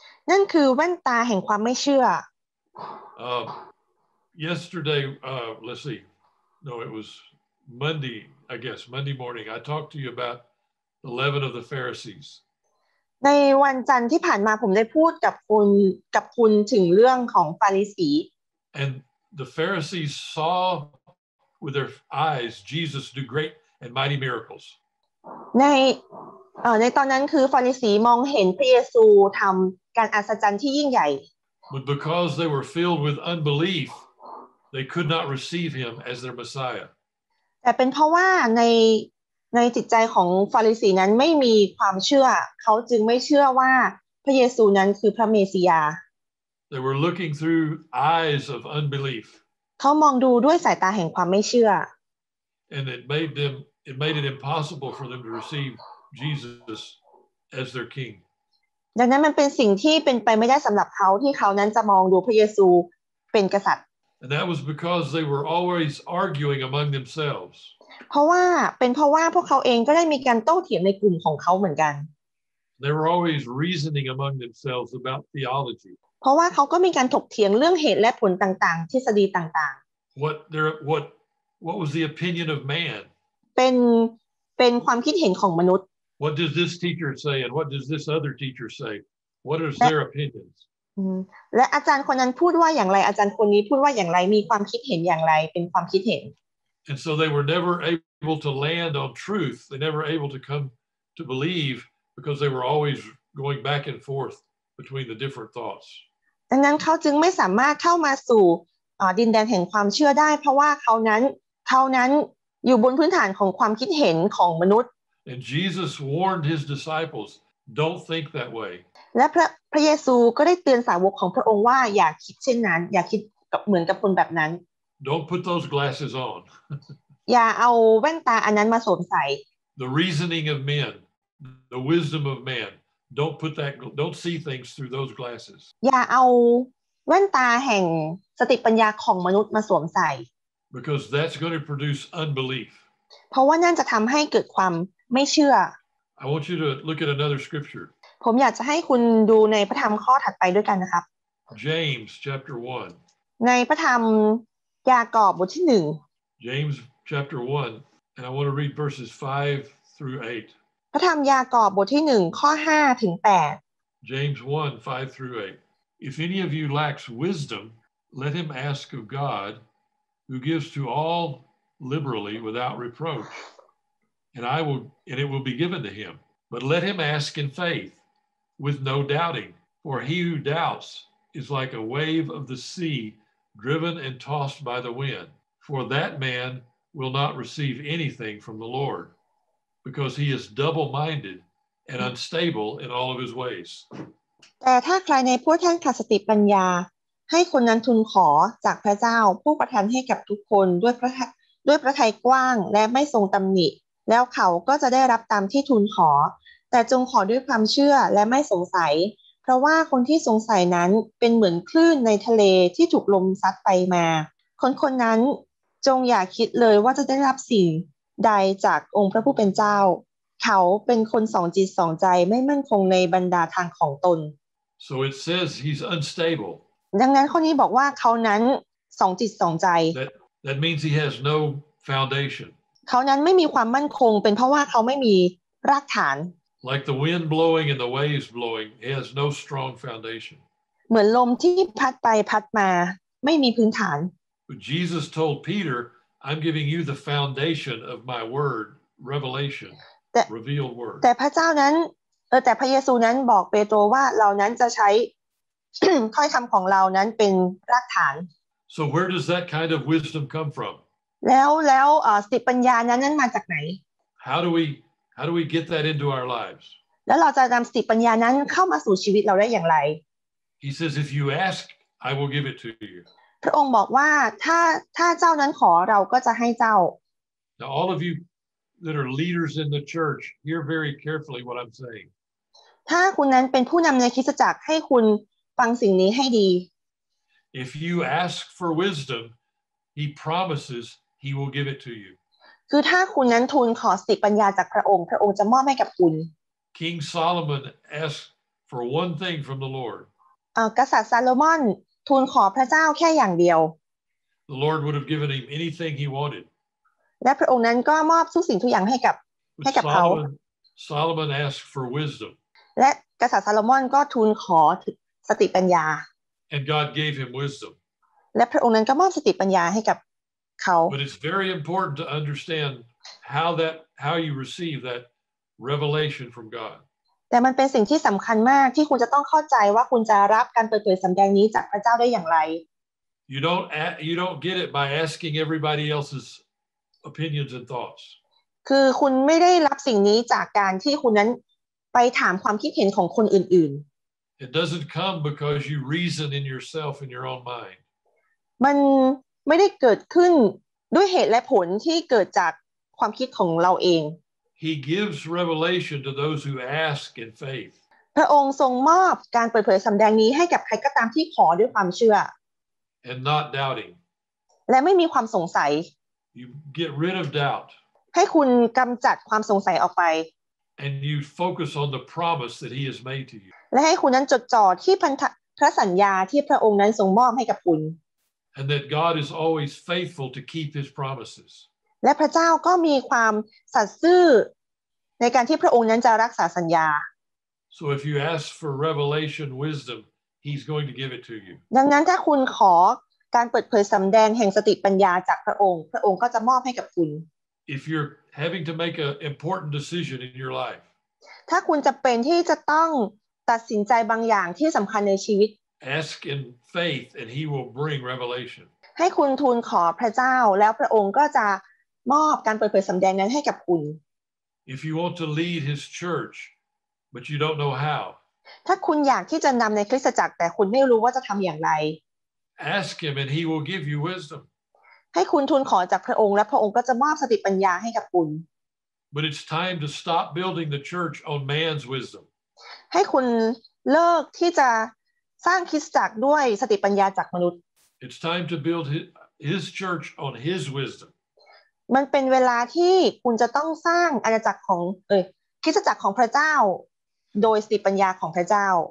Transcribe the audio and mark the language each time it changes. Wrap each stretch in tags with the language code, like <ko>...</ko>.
<th>นั่นคือแว่นตาแห่งความไม่เชื่อ</th> <en>Yesterday let's see. No it was Monday I guess Monday morning I talked to you about 11 of the Pharisees.</en> <th>ในวันจันทร์ที่ผ่านมาผมได้พูดกับคุณถึงเรื่องของฟาริสี</th> <en>And the Pharisees saw with their eyes Jesus do great and mighty miracles</en> <th>ในตอนนั้นคือฟาริสีมองเห็นพระเยซูทำการอัศจรรย์ที่ยิ่งใหญ่</th> <en>But because they were filled with unbelief they could not receive him as their Messiah</en> <th>แต่เป็นเพราะว่าในจิตใจของฟาริสีนั้นไม่มีความเชื่อเขาจึงไม่เชื่อว่าพระเยซูนั้นคือพระเมสสิยา</th> <en>They were looking through eyes of unbelief</en> <th>เขามองดูด้วยสายตาแห่งความไม่เชื่อ</th> <en>And it made it impossible for them to receive Jesus as their king</en> <th>ดังนั้นมันเป็นสิ่งที่เป็นไปไม่ได้สำหรับเขาที่เขานั้นจะมองดูพระเยซูเป็นกษัตริย์</th> <en>And that was because they were always arguing among themselves</en> <th>เพราะว่าพวกเขาเองก็ได้มีการโต้เถียงในกลุ่มของเขาเหมือนกัน</th> <en>They were always reasoning among themselves about theology</en> <th>เพราะว่าเขาก็มีการถกเถียงเรื่องเหตุและผลต่างๆทฤษฎีต่าง</th> <en>ๆ What was the opinion of man</en> <th>เป็นความคิดเห็นของมนุษย์</th> <en>What does this teacher say and what does this other teacher say What are their opinions</en> <th>และอาจารย์คนนั้นพูดว่าอย่างไรอาจารย์คนนี้พูดว่าอย่างไรมีความคิดเห็นอย่างไรเป็นความคิดเห็น</th> <en>And so they were never able to land on truth. They never able to come to believe because they were always going back and forth between the different thoughts.</en> <th>ดังนั้นเขาจึงไม่สามารถเข้ามาสู่ดินแดนแห่งความเชื่อได้เพราะว่าเขานั้นอยู่บนพื้นฐานของความคิดเห็นของมนุษย์</th> <en>And Jesus warned his disciples, "Don't think that way."</en> <th>และพระเยซูก็ได้เตือนสาวกของพระองค์ว่าอย่าคิดเช่นนั้นอย่าคิดเหมือนกับคนแบบนั้น</th> <en>Don't put those glasses on.</en> <th>อย่าเอาแว่นตาอันนั้นมาสวมใส่</th> <en>The reasoning of men, the wisdom of man. Don't see things through those glasses.</en> <th>อย่าเอาแว่นตาแห่งสติปัญญาของมนุษย์มาสวมใส่</th> <en>Because that's going to produce unbelief.</en> <th>เพราะว่านั่นจะทำให้เกิดความไม่เชื่อ</th> <en>I want you to look at another scripture.</en> <th>ผมอยากจะให้คุณดูในพระธรรมข้อถัดไปด้วยกันนะครับ</th> <en>James chapter 1.</en> <th>ในพระธรรมยากอบบทที่1</th> <en>James chapter 1 and I want to read verses 5 through 8</en> <th>พระธรรมยากอบบทที่1ข้อ5ถึง8</th> <en>James 1 5 through 8 If any of you lacks wisdom let him ask of God who gives to all liberally without reproach and it will be given to him but let him ask in faith with no doubting for he who doubts is like a wave of the sea driven and tossed by the wind. For that man will not receive anything from the Lord, because he is double-minded and unstable in all of his ways.</en> <th>แต่ถ้าใครในผู้ท่านขาดสติปัญญาให้คนนั้นทูลขอจากพระเจ้าผู้ประทานให้กับทุกคนด้วยพระทัยกว้างและไม่ทรงตำหนิแล้วเขาก็จะได้รับตามที่ทูลขอแต่จงขอด้วยความเชื่อและไม่สงสัยเพราะว่าคนที่สงสัยนั้นเป็นเหมือนคลื่นในทะเลที่ถูกลมซัดไปมา คนนั้นจงอย่าคิดเลยว่าจะได้รับสิ่งใดจากองค์พระผู้เป็นเจ้าเขาเป็นคนสองจิตสองใจไม่มั่นคงในบรรดาทางของตน</th> <en>So it says he's unstable</en> <th>ดังนั้นข้อนี้บอกว่าเขานั้นสองจิตสองใจ</th> <en>that means he has no foundation</en> <th>เขานั้นไม่มีความมั่นคงเป็นเพราะว่าเขาไม่มีรากฐาน</th> <en>Like the wind blowing and the waves blowing he has no strong foundation</en> <th>เหมือนลมที่พัดไปพัดมาไม่มีพื้นฐาน</th> <en>But Jesus told Peter I'm giving you the foundation of my word revelationRevealed word.</en> <th>แต่พระเจ้านั้นแต่พระเยซูนั้นบอกเปโตรว่าเรานั้นจะใช้ ถ้อยคำของเรานั้นเป็นรากฐาน</th> <en>So where does that kind of wisdom come from?</en> <th>แล้วสติปัญญานั้นมาจากไหน</th> <en>How do we get that into our lives?</en> <th>แล้วเราจะนำสติปัญญานั้นเข้ามาสู่ชีวิตเราได้อย่างไร</th> <en>He says if you ask I will give it to you.</en> <th>พระองค์บอกว่าถ้าเจ้านั้นขอเราก็จะให้เจ้า</th> <en>Now all of youThat are leaders in the church, hear very carefully what I'm saying.</en> <th>ถ้าคุณนั้นเป็นผู้นำในคริสตจักรให้คุณฟังสิ่งนี้ให้ดี</th> <en>If you ask for wisdom, he promises he will give it to you.</en> <th>คือถ้าคุณนั้นทูลขอสติปัญญาจากพระองค์จะมอบให้กับคุณ</th> <en>King Solomon asked for one thing from the Lord.</en> <th>กษัตริย์ซาโลมอนทูลขอพระเจ้าแค่อย่างเดียว</th> <en>The Lord would have given him anything he wanted.</en> <th>และพระองค์นั้นก็มอบทุกสิ่งทุกอย่างให้กับเขา</th> <en>Solomon asked for wisdom</en> <th>และกษัตริย์ซาโลมอนก็ทูลขอสติปัญญา</th> <en>And God gave him wisdom</en> <th>และพระองค์นั้นก็มอบสติปัญญาให้กับเขา</th> <en>But it's very important to understand how you receive that revelation from God</en> <th>แต่มันเป็นสิ่งที่สำคัญมากที่คุณจะต้องเข้าใจว่าคุณจะรับการเปิดเผยสำแดงนี้จากพระเจ้าได้อย่างไร</th> <en>You don't get it by asking everybody else'sOpinions and thoughts.</en> <th>คือคุณไม่ได้รับสิ่งนี้จากการที่คุณนั้นไปถามความคิดเห็นของคนอื่น</th> <en>ๆ It doesn't come because you reason in yourself in your own mind.</en> <th>มันไม่ได้เกิดขึ้นด้วยเหตุและผลที่เกิดจากความคิดของเราเอง</th> <en>He gives revelation to those who ask in faith.</en> <th>พระองค์ทรงมอบการเปิดเผยสำแดงนี้ให้กับใครก็ตามที่ขอด้วยความเชื่อ</th> <en>And not doubting.</en> <th>และไม่มีความสงสัย</th> <en>You get rid of doubt.</en> <th>ให้คุณกำจัดความสงสัยออกไป</th> <en>And you focus on the promise that he has made to you.</en> <th>และให้คุณนั้นจดจ่อที่พระสัญญาที่พระองค์นั้นทรงมอบให้กับคุณ</th> <en>And that God is always faithful to keep his promises.</en> <th>และพระเจ้าก็มีความสัตย์ซื่อในการที่พระองค์นั้นจะรักษาสัญญา</th> <en>So if you ask for revelation wisdom, he's going to give it to you.</en> <th>ดังนั้นถ้าคุณขอการเปิดเผยสำแดงแห่งสติปัญญาจากพระองค์ก็จะมอบให้กับคุณ</th> <en>If you're having to make an important decision in your life</en> <th>ถ้าคุณจะเป็นที่จะต้องตัดสินใจบางอย่างที่สำคัญในชีวิต</th> <en>Ask in faith and he will bring revelation</en> <th>ให้คุณทูลขอพระเจ้าแล้วพระองค์ก็จะมอบการเปิดเผยสำแดงนั้นให้กับคุณ</th> <en>If you want to lead his church but you don't know how</en> <th>ถ้าคุณอยากที่จะนำในคริสตจักรแต่คุณไม่รู้ว่าจะทำอย่างไร</th> <en>Ask him and he will give you wisdom.</en> <th>ให้คุณทูลขอจากพระองค์และพระองค์ก็จะมอบสติปัญญาให้กับคุณ</th> <en>But it's time to stop building the church on man's wisdom.</en> <th>ให้คุณเลิกที่จะสร้างคริสตจักรด้วยสติปัญญาจากมนุษย์</th> <en>It's time to build his church on his wisdom.</en> <th>มันเป็นเวลาที่คุณจะต้องสร้างอาณาจักรของคริสตจักรของพระเจ้าโดยสติปัญญาของพระเจ้า</th>